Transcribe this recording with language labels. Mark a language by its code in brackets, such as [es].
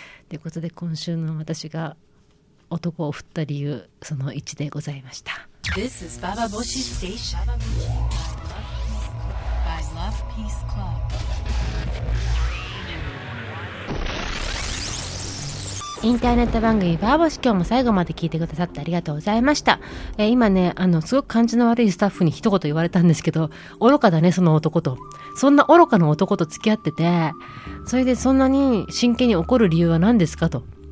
[ja] ということで今週の私が男を振った理由その1でございました。 [en] This is Baba Boshi Station by Love Peace Club。 [ja] インターネット番組バーボシ、今日も最後まで聞いてくださってありがとうございました。今ねすごく感じの悪いスタッフに一言言われたんですけど、愚かだねその男と、そんな愚かな男と付き合ってて、それでそんなに真剣に怒る理由は何ですかと。